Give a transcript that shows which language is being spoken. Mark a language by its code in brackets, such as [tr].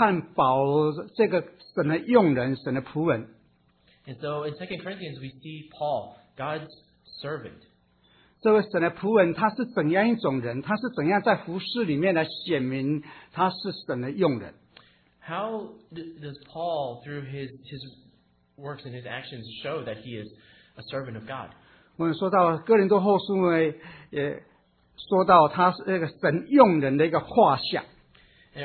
[zh] 同样，我们从哥林多后书这卷书里面，我们看保罗这个神的用人，神的仆人。 [en] And so in 2 Corinthians we see Paul, God's servant. [zh] 这位神的仆人，他是怎样一种人？他是怎样在服事里面来显明他是神的用人？ [en] How does Paul, through his works and his actions, show that he is a servant of God? [zh] 我们说到哥林多后书呢，也。说到他是那个神用人的一个画像。 [en] And